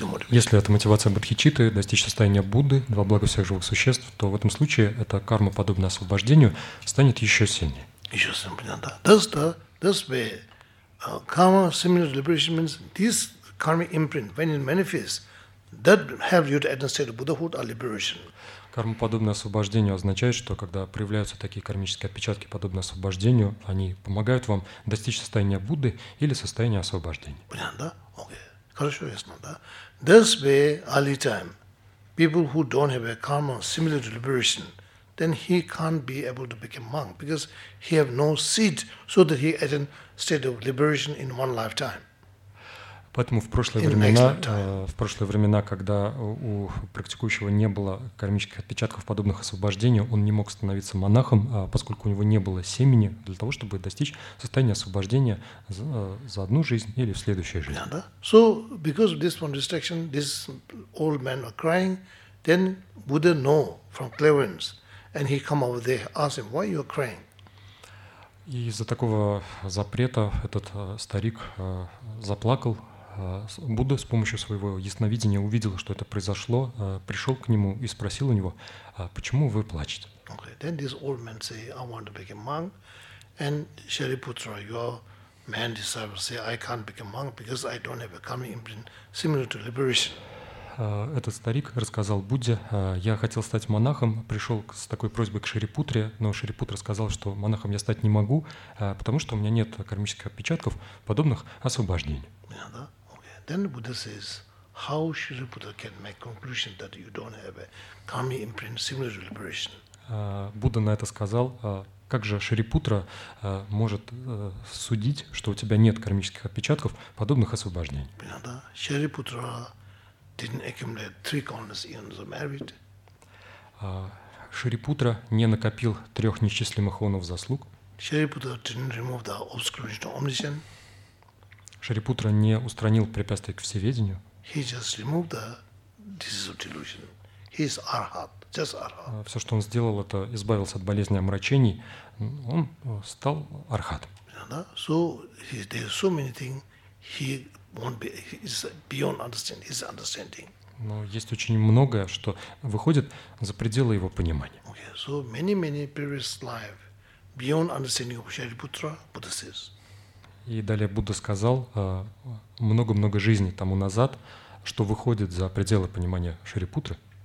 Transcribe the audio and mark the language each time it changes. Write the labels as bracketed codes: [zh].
[ru] Если это мотивация бодхичитты, достичь состояния Будды, два блага всех живых существ, то в этом случае эта карма, подобная освобождению, станет еще сильнее. Еще сильнее, понятно. [en] That's the karma similar to liberation means this karma imprint, when it manifests, that have you to attain state of Buddhahood or liberation. [ru] Кармоподобное освобождение означает, что когда проявляются такие кармические отпечатки, подобные освобождению, они помогают вам достичь состояния Будды или состояния освобождения. Понятно, да? Окей. Хорошо, ясно, да? [en] This way, early time, people who don't have a karma similar to liberation, then he can't be able to become monk, because he have no seed, so that he attain state of liberation in one lifetime. [ru] Поэтому в прошлые времена, когда у практикующего не было кармических отпечатков подобных освобождению, он не мог становиться монахом, поскольку у него не было семени для того, чтобы достичь состояния освобождения за одну жизнь или в следующей жизни. [en] Yeah, [ru] да? [en] So because of this one distraction, this old man was crying, then Buddha know from clearance, and he come over there, ask him, why you are crying? [ru] И из-за такого запрета этот старик заплакал. Будда с помощью своего ясновидения увидел, что это произошло, пришел к нему и спросил у него, почему вы плачете? [en] Okay. Then this old man say, I want to become monk, and Shariputra, your man disciple say, I can't become monk because I don't have a karma imprint similar to liberation. [ru] Этот старик рассказал Будде, я хотел стать монахом, пришел с такой просьбой к Шарипутре, но Шарипутра сказал, что монахом я стать не могу, потому что у меня нет кармических отпечатков подобных освобождений. [en] Yeah, [ru] да? [en] Okay. Then Buddha says, how Shariputra can make conclusion that you don't have a karma imprint similar to liberation? [ru] Будда на это сказал, как же Шарипутра может судить, что у тебя нет кармических отпечатков подобных освобождений? [en] Yeah, [ru] да? [en] Шарипутра didn't accumulate 3 countless eons of merit. [ru] Шарипутра не накопил 3 несчислимых онов заслуг. [en] Шарипутра didn't remove the obstacles to omniscience. [ru] Шарипутра не устранил препятствия к всеведению. [en] He just removed the disease of delusion. He is arhat, just arhat. [ru] Все, что он сделал, это избавился от болезни омрачений. Он стал архат. Yeah, да? [en] So there are so many things he won't be. He's beyond understanding. He's understanding. [ru] Но есть очень многое, что выходит за пределы его понимания. [en] Okay. So many previous life beyond understanding of Shariputra, Buddha says. [ru] И далее Будда сказал, много-много жизней тому назад, что выходит за пределы понимания Шарипутры.